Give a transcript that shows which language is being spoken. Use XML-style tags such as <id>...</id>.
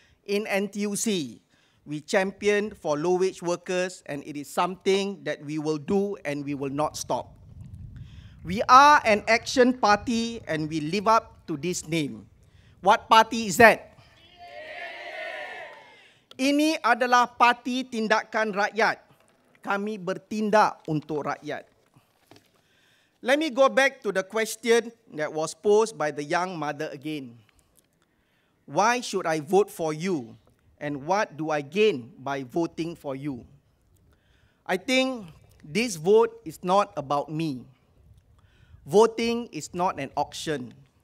<en>In NTUC, we champion for low wage workers and it is something that we will do and we will not stop. We are an action party and we live up to this name. What party is that?</en> <ms>Ini adalah parti tindakan rakyat. Kami bertindak untuk rakyat.</ms> <en>Let me go back to the question that was posed by the young mother again. Why should I vote for you? And what do I gain by voting for you? I think this vote is not about me. Voting is not an auction.</en>